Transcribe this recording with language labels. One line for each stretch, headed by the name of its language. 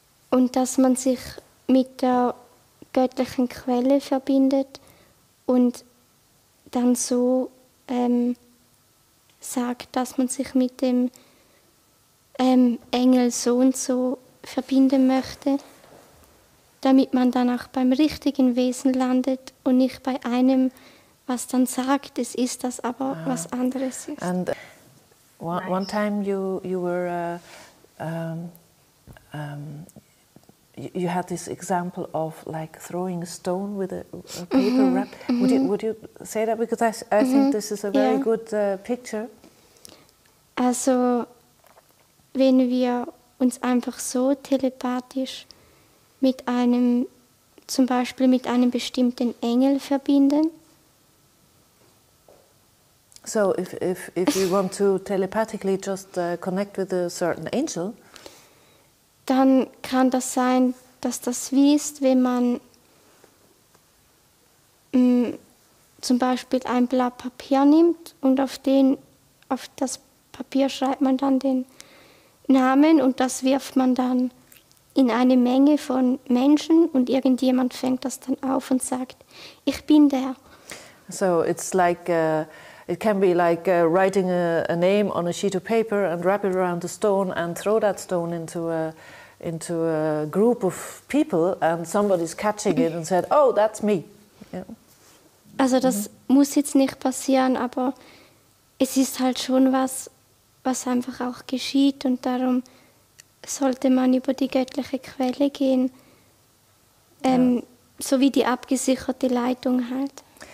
German: Und dass man sich mit der göttlichen Quelle verbindet und dann so sagt, dass man sich mit dem Engel so und so verbinden möchte, damit man dann auch beim richtigen Wesen landet und nicht bei einem, was dann sagt, es ist das aber was anderes ist.
English: And one time you were you had this example of like throwing a stone with a paper wrap. Would you say that? Because I think this is a very good picture.
German: Also, wenn wir uns einfach so telepathisch mit einem, zum Beispiel mit einem bestimmten Engel verbinden.
English: So if you want to telepathically just connect with a certain angel.
German: Dann kann das sein, dass das wie ist, wenn man zum Beispiel ein Blatt Papier nimmt und auf das Papier schreibt man dann den Namen und das wirft man dann in eine Menge von Menschen und irgendjemand fängt das dann auf und sagt, ich bin der.
English: So it's like it can be like writing a name on a sheet of paper and wrap it around a stone and throw that stone into a group of people and somebody's catching it and said, oh, that's me.
German: Also das muss jetzt nicht passieren, aber es ist halt schon was, was einfach auch geschieht und darum sollte man über die göttliche Quelle gehen, so wie die abgesicherte Leitung halt.